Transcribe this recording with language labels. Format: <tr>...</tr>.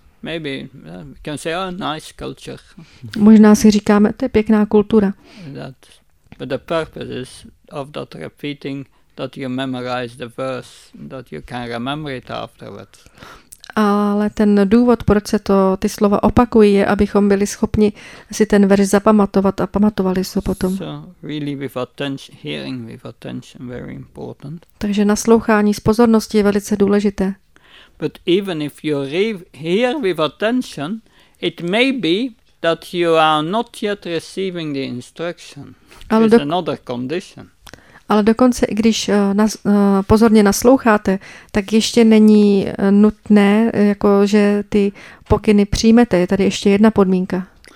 <en>Maybe we can say, oh, nice culture.</en> <cs>Možná si říkáme, to je pěkná kultura.</cs> <en>That, but the purpose is of that repeating that you memorize the verse, that you can remember it afterwards.</en> <cs>Ale ten důvod, proč se to ty slova opakují, je, abychom byli schopni si ten verš zapamatovat a pamatovali se potom.</cs> <en>So really with attention, hearing with attention, very important.</en> <cs>Takže naslouchání s pozorností je velice důležité.</cs> <en>But even if you hear with attention, it may be that you are not yet receiving the instruction. It's another condition.</en> <cs>Ale dokonce, když pozorně nasloucháte, tak ještě není nutné, jako že ty pokyny přijmete. Je tady ještě jedna podmínka.</cs>